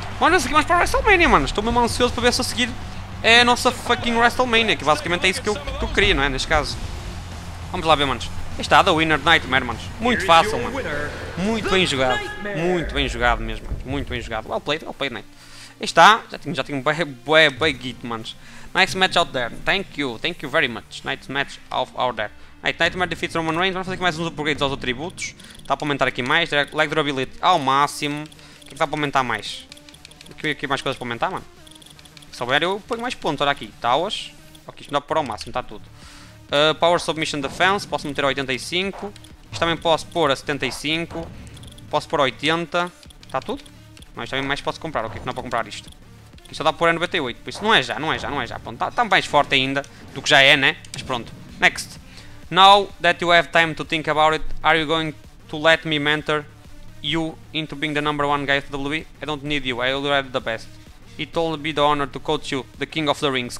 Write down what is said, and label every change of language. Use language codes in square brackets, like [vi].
[pt] Mano, vamos seguir mais para a WrestleMania, mano. Estou mesmo ansioso para ver se a seguir é a nossa fucking WrestleMania. Que basicamente é isso que eu queria, não é? Neste caso. Vamos lá ver, manos. Aí está, the winner Nightmare, manos. Muito fácil, mano. Muito bem jogado. Muito bem jogado mesmo, manos. Muito bem jogado. [en] Well played, Night. [pt] Aí está, já tinha um bué git, manos. [en] Nice match out there, thank you very much. Nice match out there. Night, Nightmare defeats Roman Reigns, [pt] vamos fazer aqui mais uns upgrades aos atributos. Está para aumentar aqui mais, leg durability ao máximo. O que está para aumentar mais? Aqui mais coisas para aumentar, mano. Se souber eu ponho mais pontos, olha aqui. Towers, aqui isto dá para pôr ao máximo, está tudo. Power Submission Defense, posso meter 85. Isto também posso pôr a 75. Posso pôr 80, está tudo? Mas também mais posso comprar, o que é que não é para comprar isto? Isto só dá por 98, por isso não é já. Pronto, está mais forte ainda do que já é, né? Mas pronto. Next. [en] Now that you have time to think about it, are you going to let me mentor you into being the number one guy of the WWE? I don't need you, I already the best. It will be the honor to coach you, the King of the Rings.